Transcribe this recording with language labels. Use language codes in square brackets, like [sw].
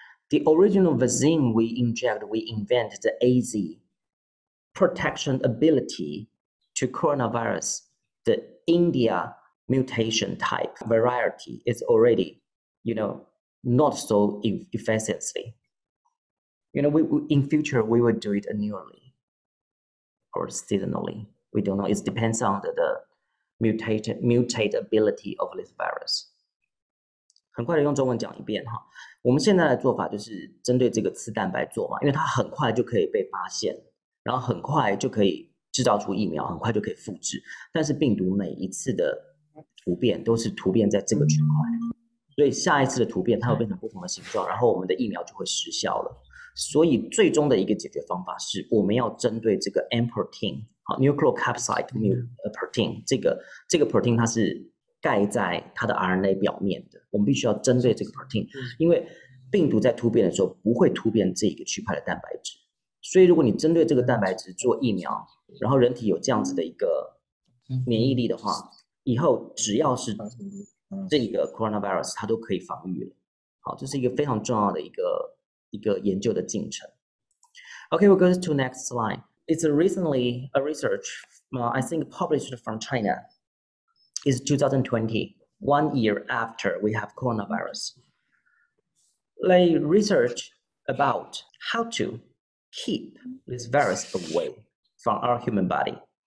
[en] The original vaccine we invented the AZ protection ability to coronavirus, the India mutation type variety is already, you know, not so efficiently. You know, in future, we will do it annually or seasonally. We don't know. It depends on the mutate ability of this virus. [zh] 很快的用中文讲一遍哈，我们现在的做法就是针对这个刺蛋白做嘛，因为它很快就可以被发现，然后很快就可以制造出疫苗，很快就可以复制。但是病毒每一次的突变都是突变在这个区块，所以下一次的突变它会变成不同的形状，然后我们的疫苗就会失效了。所以最终的一个解决方法是我们要针对这个 M protein， nucleocapsid protein， 这个 protein 它是盖在它的 RNA 表面的，我们必须要针对这个 protein， 因为病毒在突变的时候不会突变这个区块的蛋白质，所以如果你针对这个蛋白质做疫苗，然后人体有这样子的一个免疫力的话，以后只要是这个 coronavirus 它都可以防御了。好，这是一个非常重要的一个研究的进程。 [en] Okay, we'll go to next slide. It's recently a research, I think published from China. It's 2020, 1 year after we have coronavirus. They research about how to keep this virus away from our human body.